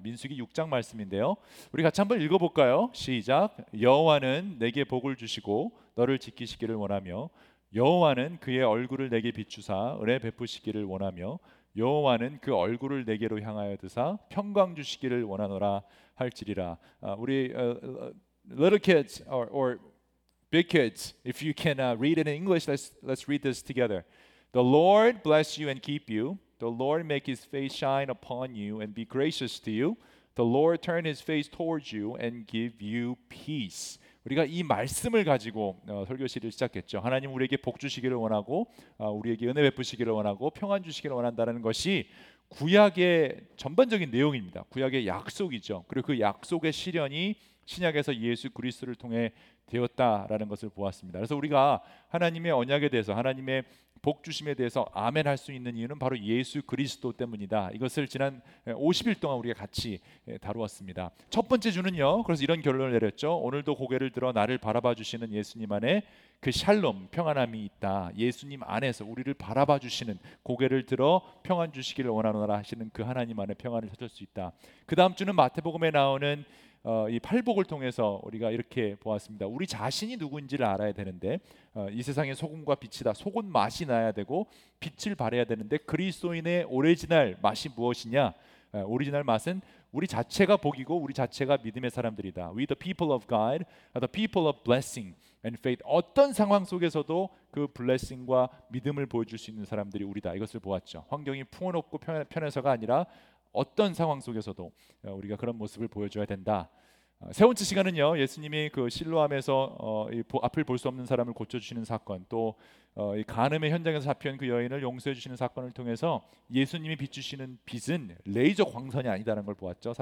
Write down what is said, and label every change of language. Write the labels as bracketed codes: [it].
[ko] 민수기 6장 말씀인데요. 우리 같이 한번 읽어볼까요? 시작. 여호와는 내게 복을 주시고 너를 지키시기를 원하며, 여호와는 그의 얼굴을 내게 비추사 은혜 베푸시기를 원하며, 여호와는 그 얼굴을 내게로 향하여 드사 평강 주시기를 원하노라 할지리라. [en] 우리 little kids or big kids, if you can read it in English, let's read this together. The Lord bless you and keep you. The Lord make his face shine upon you and be gracious to you. The Lord turn his face towards you and give you peace. [ko] 우리가 이 말씀을 가지고 설교시를 시작했죠. 하나님 우리에게 복 주시기를 원하고 우리에게 은혜 베푸시기를 원하고 평안 주시기를 원한다는 것이 구약의 전반적인 내용입니다. 구약의 약속이죠. 그리고 그 약속의 실현이 신약에서 예수 그리스도를 통해 되었다라는 것을 보았습니다. 그래서 우리가 하나님의 언약에 대해서, 하나님의 복 주심에 대해서 아멘 할 수 있는 이유는 바로 예수 그리스도 때문이다. 이것을 지난 50일 동안 우리가 같이 다루었습니다. 첫 번째 주는요, 그래서 이런 결론을 내렸죠. 오늘도 고개를 들어 나를 바라봐 주시는 예수님 안에 그 샬롬, 평안함이 있다. 예수님 안에서 우리를 바라봐 주시는, 고개를 들어 평안 주시기를 원하노라 하시는 그 하나님 안에 평안을 찾을 수 있다. 그 다음 주는 마태복음에 나오는 이 팔복을 통해서 우리가 이렇게 보았습니다. 우리 자신이 누구인지를 알아야 되는데, 이 세상에 소금과 빛이다. 속은 맛이 나야 되고 빛을 발해야 되는데, 그리스도인의 오리지널 맛이 무엇이냐? 오리지널 맛은 우리 자체가 복이고 우리 자체가 믿음의 사람들이다. [en] We the people of God are the people of blessing and faith. [ko] 어떤 상황 속에서도 그 블레싱과 믿음을 보여줄 수 있는 사람들이 우리다. 이것을 보았죠. 환경이 풍요롭고 편해서가 아니라 어떤 상황 속에서도 우리가 그런 모습을 보여줘야 된다. 세 번째 시간은요, 예수님이 그 실로암에서 앞을 볼 수 없는 사람을 고쳐주시는 사건, 또 이 간음의 현장에서 잡힌 그 여인을 용서해주시는 사건을 통해서 예수님이 비추시는 빛은 레이저 광선이 아니다라는 걸 보았죠.